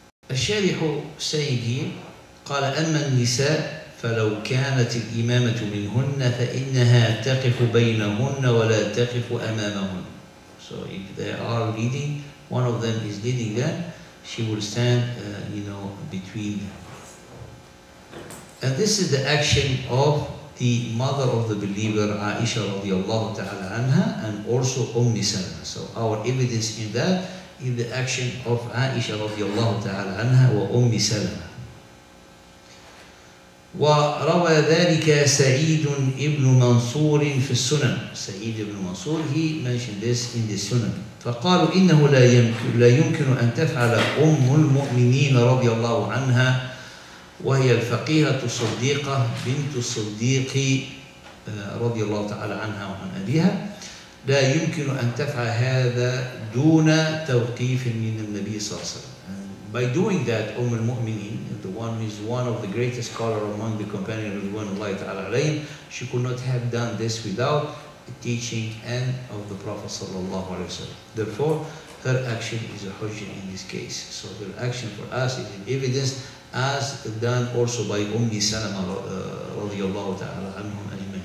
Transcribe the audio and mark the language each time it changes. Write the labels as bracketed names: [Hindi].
[Arabic] الشارح [English] saying here, [Arabic] قال أما النساء فلو كانت الإمامة منهن فإنها تقف بينهن ولا تقف أمامهن. [English] So if they are leading, one of them is leading them, she will stand, you know, between them. And this is the action of the mother of the believer, Aisha radiallahu ta'ala anha, and also Umm Salama. So our evidence in that is the action of Aisha radiallahu ta'ala anha wa Umm Salama. [Arabic] وَرَوَى ذَلِكَ سَعِيدٌ إِبْنُ مَنْصُورٍ فِي السُّنَنِ [English] Sa'id ibn Mansur, he mentioned this in the Sunan. [Arabic] فَقَالُوا إِنَّهُ لَا يُمْكِنُ أَن تَفْعَلَ أُمُّ الْمُؤْمِنِينَ رَضِيَ عَنْهَا وهي الفقيهة الصديقة بنت الصديق رضي الله تعالى عنها وعن أبيها لا يمكن أن تفعل هذا دون توقيف من النبي صلى الله عليه وسلم. [English] by doing that, Umm al-Mu'mineen, the one who is one of the greatest scholars among the companions of the one Allah Ta'ala alayhim, she could not have done this without the teaching and of the Prophet sallallahu alayhi wa sallam. Therefore, her action is a hujjah in this case. So her action for us is an evidence, as done also by Ummi Salama radiallahu ta'ala anhum ajma'in.